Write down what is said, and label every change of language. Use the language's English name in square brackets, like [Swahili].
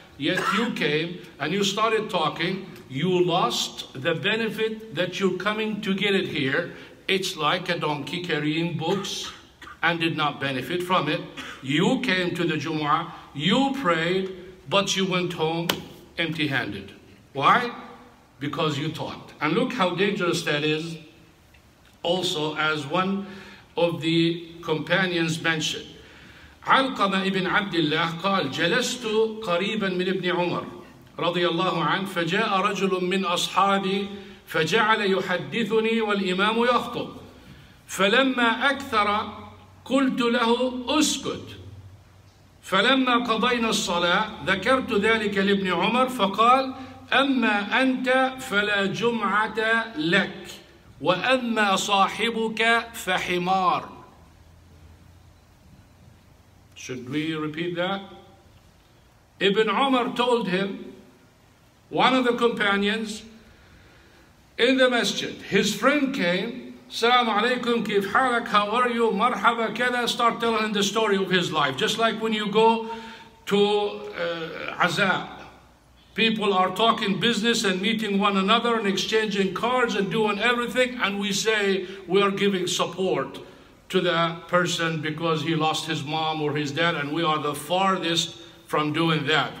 [English] Yet you came and you started talking, you lost the benefit that you're coming to get it here. It's like a donkey carrying books and did not benefit from it. You came to the Jumu'ah, you prayed, but you went home empty-handed. Why? Because you talked. And look how dangerous that is. Also, as one of the companions mentioned, [Arabic] علقمة ابن عبد الله قال جلست قريبا من ابن عمر رضي الله عنه فجاء رجل من أصحابي فجعل يحدثني والإمام يخطب فلما أكثر قلت له أسكت فلما قضينا الصلاة ذكرت ذلك لابن عمر فقال أما أنت فلا جمعة لك وأما صاحبك فحمار. [English] Should we repeat that? Ibn Umar told him, one of the companions in the masjid, his friend came, Salaamu Alaikum, Kif Halak, how are you? Marhaba, kada, start telling him the story of his life. Just like when you go to Aza, people are talking business and meeting one another and exchanging cards and doing everything, and we say we are giving support to the person because he lost his mom or his dad, and we are the farthest from doing that.